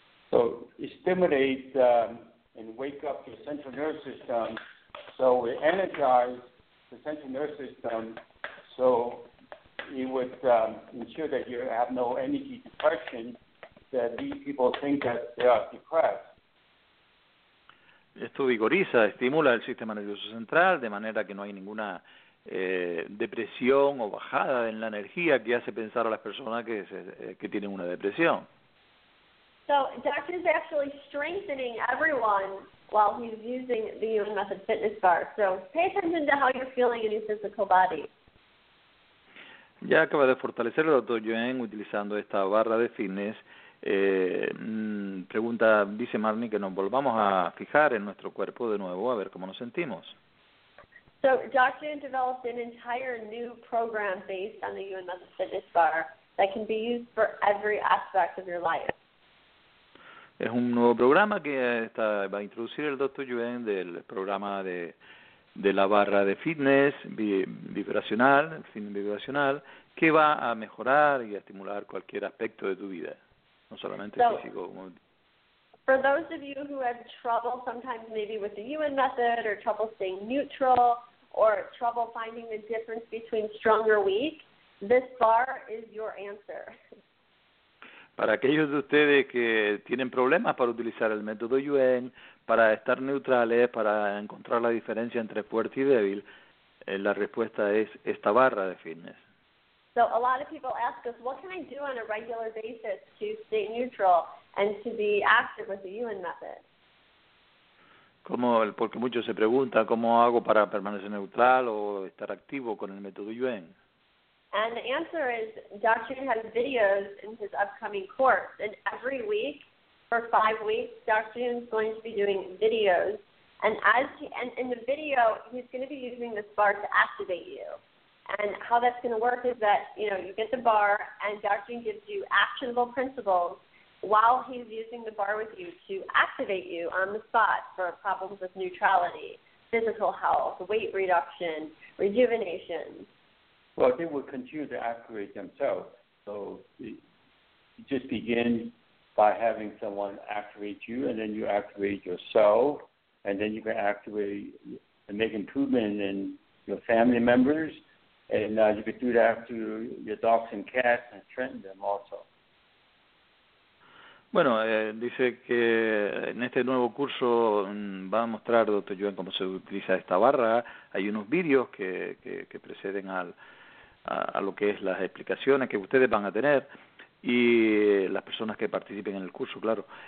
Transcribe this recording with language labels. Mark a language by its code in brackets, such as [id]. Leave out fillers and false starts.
[en] So, stimulate and wake up your central nervous system, so it energizes the central nervous system, so it would ensure that you have no energy depression that these people think that they are depressed. [es] Esto vigoriza, estimula el sistema nervioso central de manera que no hay ninguna depresión o bajada en la energía que hace pensar a las personas que, que tienen una depresión. [en] So, Doctor is actually strengthening everyone while he's using the Human Method Fitness Bar. So, pay attention to how you're feeling in your physical body. [es] Ya acaba de fortalecer el Dr. Yuen utilizando esta barra de fitness. Pregunta, dice Marnie, que nos volvamos a fijar en nuestro cuerpo de nuevo a ver cómo nos sentimos. [en] So, Dr. Yuen developed an entire new program based on the Human Method Fitness Bar that can be used for every aspect of your life. [es] Es un nuevo programa que está, va a introducir el Dr. Yuen del programa de la barra de fitness vibracional, fitness vibracional, que va a mejorar y a estimular cualquier aspecto de tu vida, no solamente [en] so, [es] físico. Como... [en] For those of you who have trouble sometimes maybe with the Yuen method or trouble staying neutral or trouble finding the difference between strong or weak, this bar is your answer. [es] Para aquellos de ustedes que tienen problemas para utilizar el método Yuen, para estar neutrales, para encontrar la diferencia entre fuerte y débil, la respuesta es esta barra de fitness. [en] So a lot of people ask us, what can I do on a regular basis to stay neutral and to be active with the Yuen method? [es] Como el, porque muchos se preguntan, ¿cómo hago para permanecer neutral o estar activo con el método Yuen? [en] And the answer is, Dr. Yuen has videos in his upcoming course. And every week, for 5 weeks, Dr. Yuen is going to be doing videos. And as he, and in the video, he's going to be using this bar to activate you. And how that's going to work is that, you know, you get the bar, and Dr. Yuen gives you actionable principles while he's using the bar with you to activate you on the spot for problems with neutrality, physical health, weight reduction, rejuvenation. Well, they will continue to activate themselves. So you just begin by having someone activate you, and then you activate yourself, and then you can activate and make improvement in your family members. And you can do that to your dogs and cats and strengthen them also. [es] Bueno, dice que en este nuevo curso va a mostrar, Dr. Yuen, cómo se utiliza esta barra. Hay unos videos que preceden al... a lo que es las explicaciones que ustedes van a tener y las personas que participen en el curso, claro.